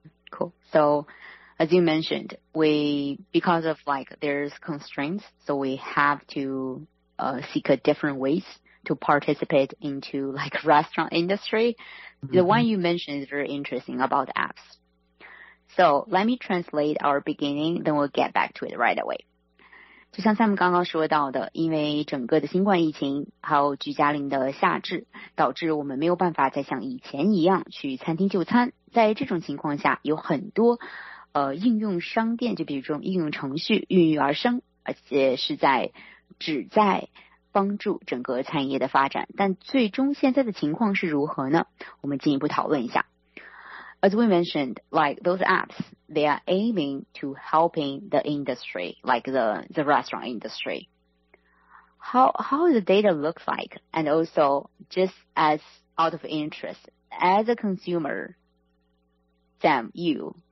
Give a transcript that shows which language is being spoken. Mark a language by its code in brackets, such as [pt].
[en] Cool. So... As you mentioned, we, because of like there's constraints, so we have to, seek a different ways to participate into like restaurant industry. Mm-hmm. The one you mentioned is very interesting about apps. So let me translate our beginning, then we'll get back to it right away. [zh] 就像 Sam 刚刚说到的，因为整个的新冠疫情还有居家令的下制，导致我们没有办法再像以前一样去餐厅就餐。在这种情况下，有很多应用商店，就比如这种应用程序孕育而生，而且是在旨在帮助整个餐饮业的发展。但最终现在的情况是如何呢？我们进一步讨论一下。 [en] As we mentioned, like those apps, they are aiming to helping the industry, like the restaurant industry. How the data looks like, and also just as out of interest, as a consumer, Sam, you.